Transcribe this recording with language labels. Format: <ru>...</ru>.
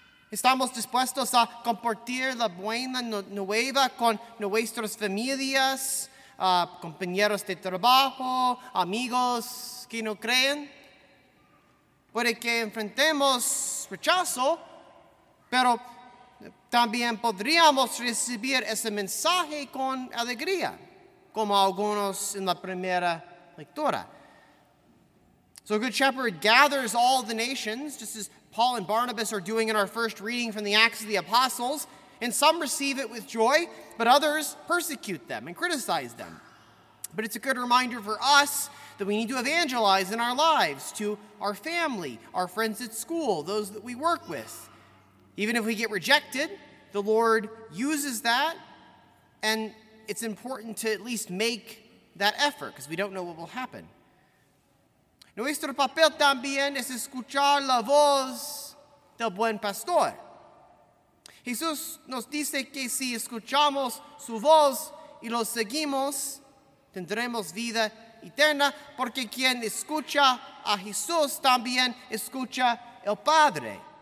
<es>¿Estamos dispuestos a compartir la buena nueva con nuestras familias, compañeros de trabajo, amigos que no creen? Puede que enfrentemos rechazo, pero también podríamos recibir ese mensaje con alegría, como algunos en la primera lectura.</es> <en>So Good Shepherd gathers all the nations, just as Paul and Barnabas are doing in our first reading from the Acts of the Apostles, and some receive it with joy, but others persecute them and criticize them. But it's a good reminder for us that we need to evangelize in our lives to our family, our friends at school, those that we work with. Even if we get rejected, the Lord uses that, and it's important to at least make that effort because we don't know what will happen.</en> <es>Nuestro papel también es escuchar la voz del buen pastor. Jesús nos dice que si escuchamos su voz y lo seguimos, tendremos vida eterna, porque quien escucha a Jesús también escucha el Padre.</es>